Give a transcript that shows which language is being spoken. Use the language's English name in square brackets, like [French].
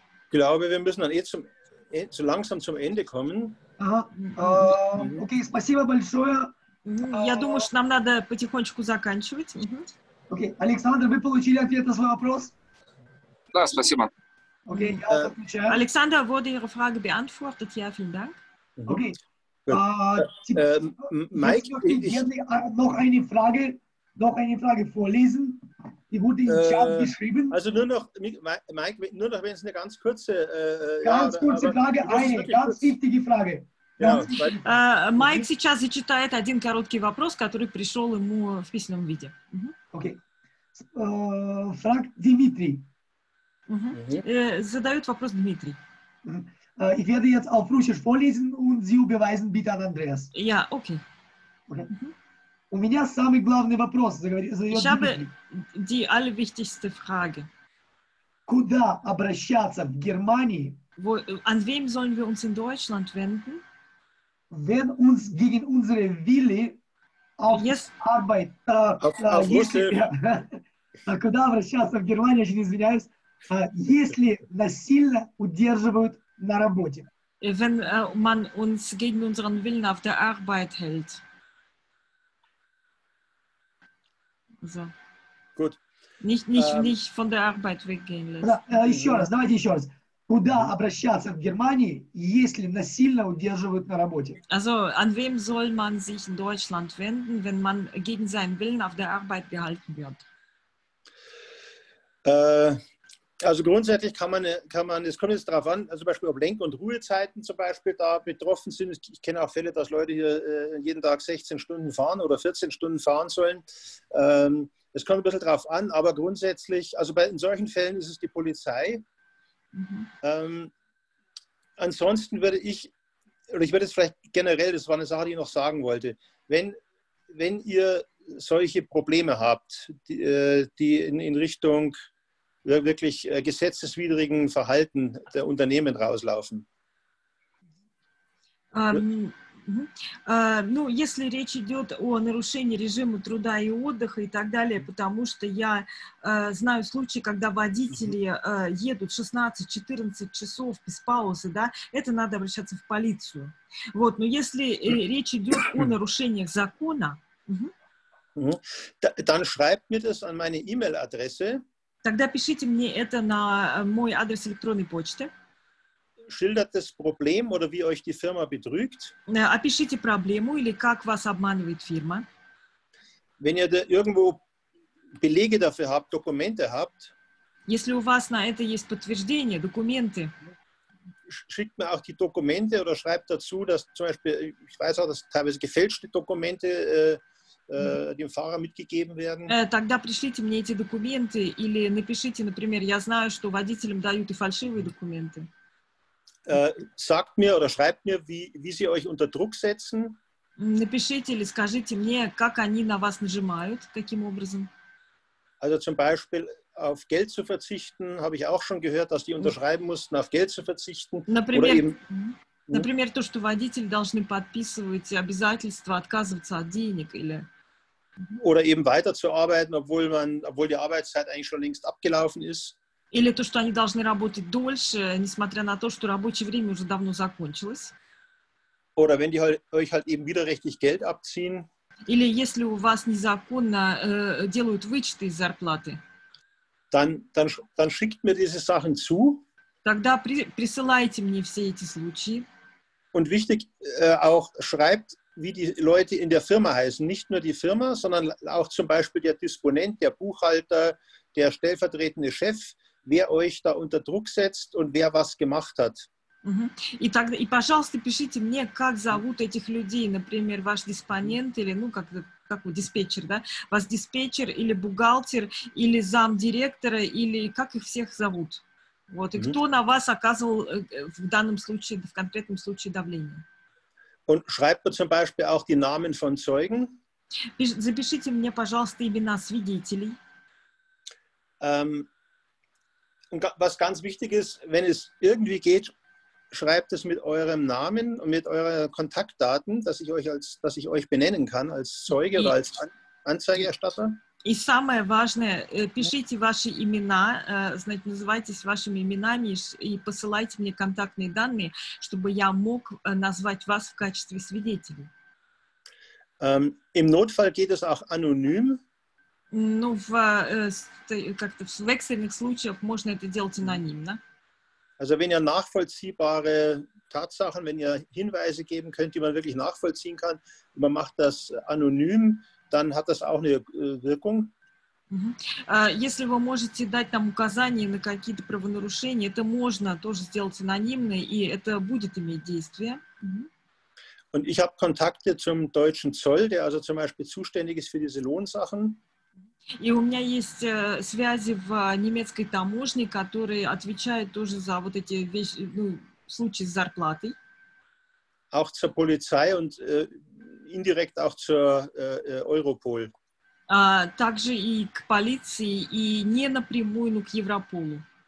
[German] Ich glaube, wir müssen dann so langsam zum Ende kommen. [Russian] Okay, спасибо большое. Я думаю, что нам надо потихонечку заканчивать. Okay, Александр, вы получили ответ на свой вопрос? Да, спасибо. Okay, я отвечаю. [German] Александр, wurde Ihre Frage beantwortet? Ja, vielen Dank. Okay. Noch eine Frage vorlesen. Die wurde im Chat geschrieben. Also nur noch, Mike, nur noch, wenn es eine ganz kurze... wichtige Frage. [Russian] Майк сейчас зачитает один короткий вопрос, который пришел ему в письменном виде. [German] Окей. Фраг Дмитрий. [Russian] Задает вопрос Дмитрий. [German] Ich werde jetzt auf Russisch vorlesen und Sie überweisen bitte an Andreas. Ja, okay. [Russian] У меня самый главный вопрос, задает Дмитрий. [German] Ich habe die allerwichtigste Frage. [Russian] Куда обращаться в Германии? [German] An wem sollen wir uns in Deutschland wenden? Wenn uns gegen unsere Wille auf yes. [Russian] Arbeit куда обращаться в Германии, очень извиняюсь, если насильно удерживают на работе. [German] Wenn man uns gegen unseren Willen auf der Arbeit hält. So. Gut. Nicht von der Arbeit weggehen lässt. [Russian] Еще раз. Куда обращаться в Германии, если насильно удерживают на работе? [German] Also, an wem soll man sich in Deutschland wenden, wenn man gegen seinen Willen auf der Arbeit gehalten wird? Also grundsätzlich kann man, es kommt jetzt darauf an, also zum Beispiel, ob Lenk- und Ruhezeiten zum Beispiel da betroffen sind. Ich kenne auch Fälle, dass Leute hier jeden Tag 16 Stunden fahren oder 14 Stunden fahren sollen. Es kommt ein bisschen darauf an, aber grundsätzlich, also in solchen Fällen ist es die Polizei. Ansonsten würde ich, oder ich würde es vielleicht generell, das war eine Sache, die ich noch sagen wollte, wenn ihr solche Probleme habt, die in Richtung wirklich gesetzeswidrigen Verhalten der Unternehmen rauslaufen. [Russian] Ну, если речь идет о нарушении режима труда и отдыха и так далее, потому что я знаю случаи, когда водители едут 16-14 часов без паузы, да, это надо обращаться в полицию. Вот, но если речь идет о нарушениях закона, [German] dann schreibt mir das an meine E-Mail-Adresse. [Russian] Тогда пишите мне это на мой адрес электронной почты. [German] Schildert das Problem oder wie euch die Firma betrügt? [Russian] Опишите проблему или как вас обманывает фирма. [German] Wenn ihr da irgendwo Belege dafür habt, Dokumente habt. [Russian] Если у вас на это есть подтверждение, документы. [German] Schickt mir auch die Dokumente oder schreibt dazu, dass zum Beispiel, ich weiß auch, dass teilweise gefälschte Dokumente dem Fahrer mitgegeben werden. [Russian] Тогда пришлите мне эти документы или напишите, например, я знаю, что водителям дают и фальшивые документы. [German] Sagt mir oder schreibt mir, wie sie euch unter Druck setzen. [Russian] Напишите или скажите мне, как они на вас нажимают, каким образом. [German] Also zum Beispiel auf Geld zu verzichten, habe ich auch schon gehört, dass die unterschreiben mussten, auf Geld zu verzichten. [Russian] Например, то, что водители должны подписывать обязательства отказываться от денег или... [German] Oder eben weiterzuarbeiten, obwohl die Arbeitszeit eigentlich schon längst abgelaufen ist. [Russian] Или то, что они должны работать дольше, несмотря на то, что рабочее время уже давно закончилось. [German] Oder wenn die euch halt eben widerrechtlich Geld abziehen. [Russian] Или если у вас незаконно делают вычеты из зарплаты. [German] Dann schickt mir diese Sachen zu. [Russian] Тогда присылайте мне все эти случаи. [German] Und wichtig auch schreibt, wie die Leute in der Firma heißen. Nicht nur die Firma, sondern auch zum Beispiel der Disponent, der Buchhalter, der stellvertretende Chef. Wer euch da unter Druck setzt und wer was gemacht hat. [Russian] И пожалуйста, пишите мне, как зовут этих людей, например, ваш диспонент или ну как диспетчер, да? Ваш диспетчер или бухгалтер или зам директора или как их всех зовут. Вот и кто на вас оказывал в данном случае, в конкретном случае давление. [German] Und schreibt mir zum Beispiel auch die Namen von Zeugen. [Russian] Запишите мне, пожалуйста, имена свидетелей. [German] Und was ganz wichtig ist, wenn es irgendwie geht, schreibt es mit eurem Namen und mit euren Kontaktdaten, dass ich euch benennen kann als Zeuge oder als Anzeigerstatter. [Russian] И самое важное, пишите ваши имена, значит, называйтесь вашими именами и посылайте мне контактные данные, чтобы я мог назвать вас в качестве свидетеля. [German] Im Notfall geht es auch anonym. [Russian] Ну, как-то в экстренных случаях можно это делать анонимно. [German] Also wenn ihr nachvollziehbare Tatsachen, wenn ihr Hinweise geben könnt, die man wirklich nachvollziehen kann, man macht das anonym, dann hat das auch eine Wirkung. [Russian] Если вы можете дать нам указания на какие-то правонарушения, это можно тоже сделать анонимно, и это будет иметь действие. [German] Und ich habe Kontakte zum deutschen Zoll, der also zum Beispiel zuständig ist für diese Lohnsachen. [Russian] И у меня есть связи в немецкой таможне, которые отвечают тоже за вот эти вещи, ну, случаи с зарплатой. [German] Auch zur Polizei und indirekt auch zur Europol. [Russian] Также и к полиции, и не напрямую, но к Европолу.